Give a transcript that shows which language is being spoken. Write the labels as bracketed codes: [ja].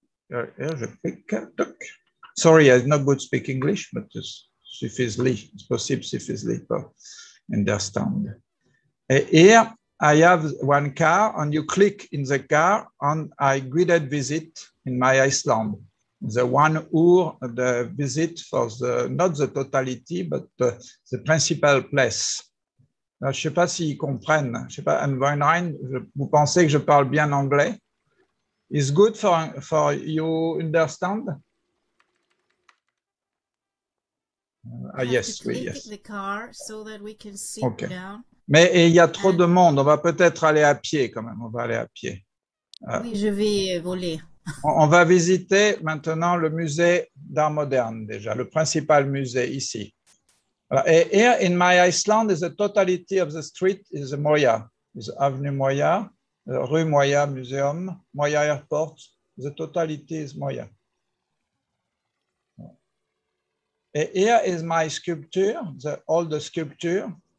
[en] Here, je clique. Toc. Sorry, I'm not good speak English, but just suffisantly, it's possible suffisantly for understand. Here I have one car, and you click in the car, and I guided visit in my Iceland. The 1 hour the visit for the not the totality but the principal place. [fr] Alors, je ne sais pas s'ils comprennent. Je ne sais pas, Anne Weinrein, vous pensez que je parle bien anglais? [en] is good for you understand? Yes. The car so that we can sit okay. Down. [fr] Mais il y a trop de monde. On va peut-être aller à pied quand même. On va aller à pied. Oui, je vais voler. On va visiter maintenant le musée d'art moderne déjà, le principal musée ici. [en] Alors, here in my Iceland is the totality of the street is the Moya, is Avenue Moya, Rue Moya Museum, Moya Airport, the totality is Moya. And here is my sculpture, the older sculpture.